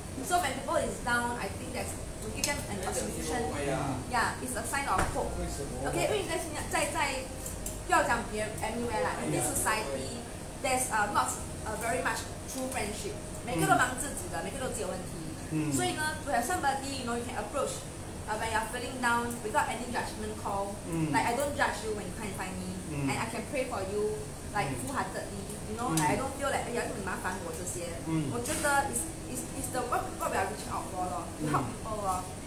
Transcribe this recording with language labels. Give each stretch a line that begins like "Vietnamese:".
English: So when people is down, I think that to give them a solution. Yeah, it's a sign of hope. Okay,
Chinese: 因为在不要讲别人
English: anywhere 啦 in this society, there's not a very much true friendship.
Chinese: 每个都忙自己的，每个都自己有问题。所以呢
English: ，to have somebody you know you can approach, when you're feeling down without any judgment call. Like I don't judge you when you can't find me, and I can pray for you. Like wholeheartedly, you know, like I don't feel like
Chinese: 哎呀，这么麻烦我这些。我觉得
English: is the what we are reaching out for 咯 ，to help people 咯。